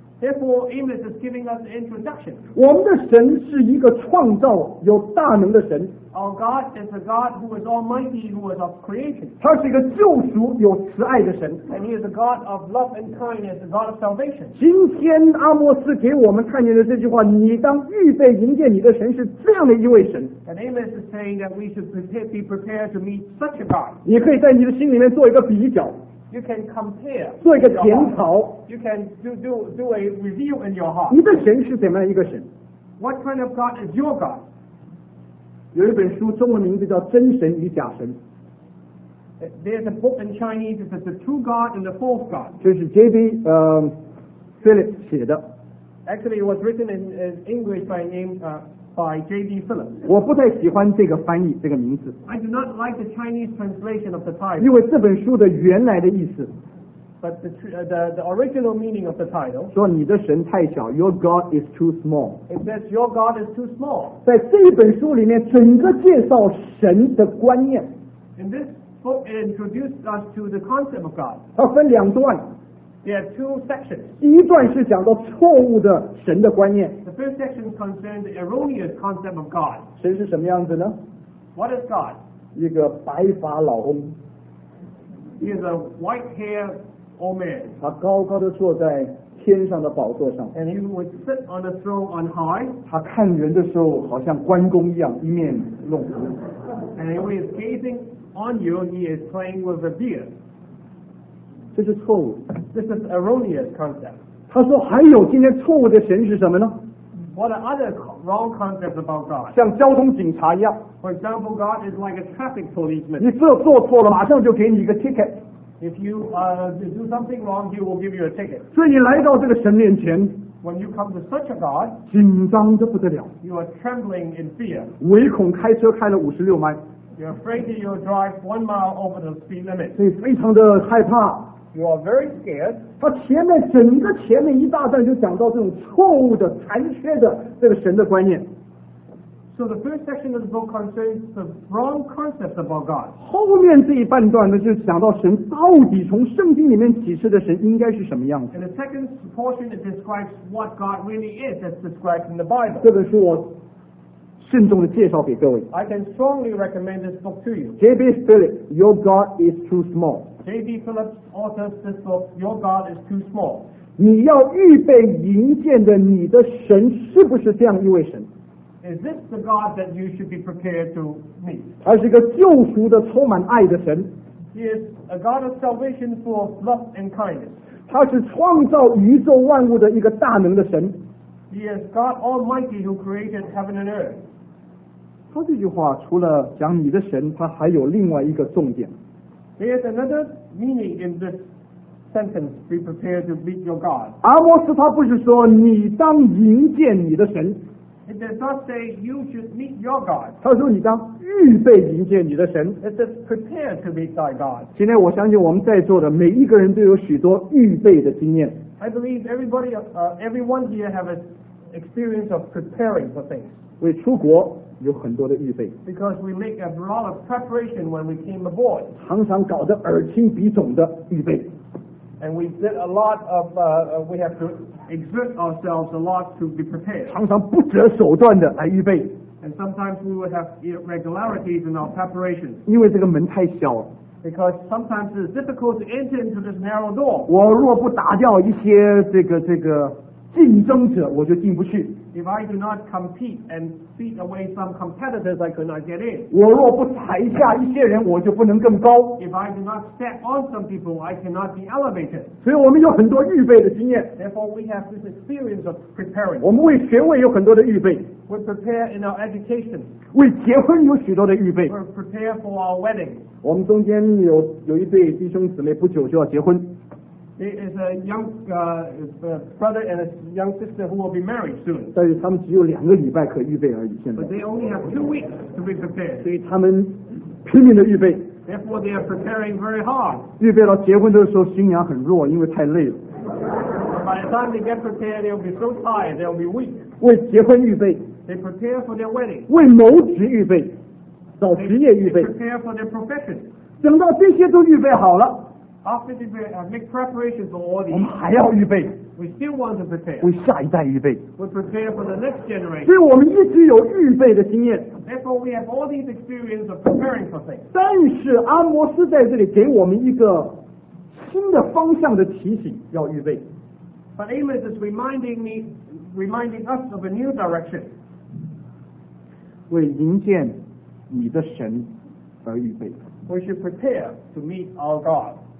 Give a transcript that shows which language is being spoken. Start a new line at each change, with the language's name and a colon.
English: Therefore, Amos is giving us an introduction.
Chinese: 我们的神是一个创造有大能的神。
English: Our God is a God who is almighty, who is of creation.
Chinese: 他是一个救赎有慈爱的神。
English: And he is a God of love and kindness, a God of salvation.
Chinese: 今天阿摩斯给我们看见的这句话，你当预备迎接你的神是这样的一位神。
English: And Amos is saying that we should be prepared to meet such a God.
Chinese: 你可以在你的心里面做一个比较。
English: You can compare.
Chinese: 做一个检讨。
English: You can do a review in your heart.
Chinese: 你的神是怎么样一个神？
English: What kind of God is your God?
Chinese: 有一本书中文名字叫真神与假神。
English: There's a book in Chinese that's the true God and the false God.
Chinese: 这是 J.B. Phillips 写的。
English: Actually, it was written in English by name by J.B. Phillips.
Chinese: 我不太喜欢这个翻译这个名字。
English: I do not like the Chinese translation of the title.
Chinese: 因为这本书的原来的意思。
English: But the original meaning of the title.
Chinese: 说你的神太小 ，
English: Your God is too small. It says your God is too small.
Chinese: 在这一本书里面，整个介绍神的观念。
English: In this book, it introduced us to the concept of God.
Chinese: 它分两段。
English: There are two sections.
Chinese: 第一段是讲到错误的神的观念。
English: The first section concerns the erroneous concept of God.
Chinese: 神是什么样子呢
English: ？What is God?
Chinese: 一个白发老翁。
English: He is a white hair.
Chinese: 他高高的坐在天上的宝座上
English: and he would sit on the throne on high.
Chinese: 他看人的时候好像关公一样一面弄红
English: and when he is gazing on you he is playing with a beard.
Chinese: 这是错误
English: this is erroneous concept.
Chinese: 他说还有今天错误的神是什么呢
English: what are other wrong concepts about God?
Chinese: 像交通警察一样
English: for example God is like a traffic policeman.
Chinese: 你这做错了马上就给你一个 ticket.
English: If you do something wrong, he will give you a ticket.
Chinese: 所以你来到这个神面前
English: ，When you come to such a God,
Chinese: 紧张得不得了。
English: You are trembling in fear.
Chinese: 唯恐开车开了五十六迈。
English: You are afraid that you will drive 1 mile over the speed limit.
Chinese: 所以非常的害怕。
English: You are very scared.
Chinese: 他前面整个前面一大段就讲到这种错误的、残缺的这个神的观念。
English: So the first section of the book concerns the wrong concept about God.
Chinese: 后面这一半段呢，就讲到神到底从圣经里面启示的神应该是什么样子。
English: And the second portion it describes what God really is, as described in the Bible.
Chinese: 这本书我慎重的介绍给各位。
English: I can strongly recommend this book to you. J.B. Phillips, Your God is Too Small. J.B. Phillips authors this book, Your God is Too Small.
Chinese: 你要预备迎接的你的神是不是这样一位神？
English: Is this the God that you should be prepared to meet?
Chinese: 他是一个救赎的充满爱的神。
English: He is a God of salvation full of love and kindness.
Chinese: 他是创造宇宙万物的一个大能的神。
English: He is God Almighty who created heaven and earth.
Chinese: 他这句话除了讲你的神，他还有另外一个重点。
English: There is another meaning in this sentence, be prepared to meet your God.
Chinese: 阿摩斯他不是说你当迎接你的神。
English: It does not say you should meet your God.
Chinese: 他说你当预备迎接你的神。
English: It says prepare to meet thy God.
Chinese: 今天我相信我们在座的每一个人都有许多预备的经验。
English: I believe everyone here have an experience of preparing for things.
Chinese: 为出国有很多的预备。
English: Because we make a lot of preparation when we came aboard.
Chinese: 常常搞得耳青鼻肿的预备。
English: And we did a lot of, we have to exert ourselves a lot to be prepared.
Chinese: 常常不择手段的来预备。
English: And sometimes we would have irregularities in our preparation.
Chinese: 因为这个门太小了。
English: Because sometimes it's difficult to enter into this narrow door.
Chinese: 我若不打掉一些这个竞争者，我就进不去。
English: If I do not compete and beat away some competitors, I could not get in.
Chinese: 我若不踩下一些人，我就不能更高。
English: If I do not step on some people, I cannot be elevated.
Chinese: 所以我们有很多预备的经验。
English: Therefore, we have this experience of preparing.
Chinese: 我们为学位有很多的预备。
English: We prepare in our education.
Chinese: 为结婚有许多的预备。
English: We prepare for our wedding.
Chinese: 我们中间有一对弟兄姊妹不久就要结婚。
English: It is a young brother and a young sister who will be married soon.
Chinese: 但是他们只有两个礼拜可预备而已。现在。
English: But they only have 2 weeks to be prepared.
Chinese: 所以他们拼命的预备。
English: Therefore, they are preparing very hard.
Chinese: 预备到结婚的时候，新娘很弱，因为太累了。
English: By the time they get prepared, they will be so tired, they will be weak.
Chinese: 为结婚预备。
English: They prepare for their wedding.
Chinese: 为谋职预备，找职业预备。
English: They prepare for their profession.
Chinese: 等到这些都预备好了。
English: After we make preparations for all these,
Chinese: 我们还要预备。
English: We still want to prepare.
Chinese: 为下一代预备。
English: We prepare for the next generation.
Chinese: 所以我们一直有预备的经验。
English: Therefore, we have all these experience of preparing for things.
Chinese: 但是阿摩斯在这里给我们一个新的方向的提醒，要预备。
English: But Amos is reminding us of a new direction.
Chinese: 为迎接你的神而预备。
English: We should prepare to meet our God.